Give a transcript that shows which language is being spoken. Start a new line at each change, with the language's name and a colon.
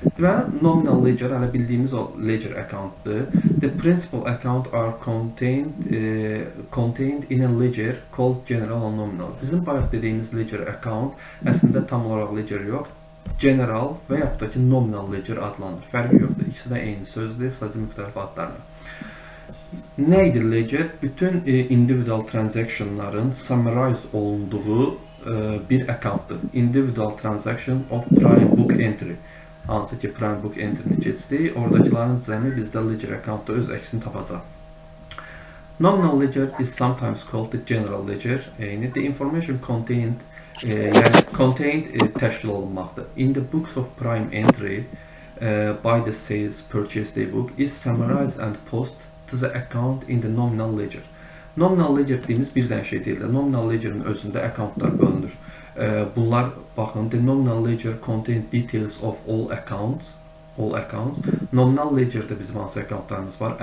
Azerbaijani: Və nominal ledger, hələ bildiyimiz o ledger accountdır.
English: The principal account are contained in a ledger called general or nominal.
Azerbaijani: Bizim bayaq dediyimiz ledger account əslində tam olaraq ledger yox. General və yaxud da ki nominal ledger adlanır. Fərqi yoxdur. İkisi də eyni sözdür, sadəcə müxtəlif adlarla. Nə idi ledger? Bütün individual transactionların summarized olunduğu bir accountdır.
English: Individual transaction of prime book entry.
Azerbaijani: Hansı ki prime book entry-ni keçdik, oradakıların cəmi bizdə ledger accountda öz əksini tapacaq.
English: Nominal ledger is sometimes called the general ledger.
Azerbaijani: Eyni
English: the information contained
Azerbaijani: yəni contained təşkil olunmaqdır.
English: In the books of prime entry by the sales purchase day book is summarized and post to the account in the nominal ledger.
Azerbaijani: Nominal ledger dediğimiz bir dənə şey deyil. Nominal ledger'ın özündə accountlar bölünür. Bunlar baxın,
English: the nominal ledger contains details of all accounts. All accounts.
Azerbaijani: Nominal ledger'da bizim hansı accountlarımız var?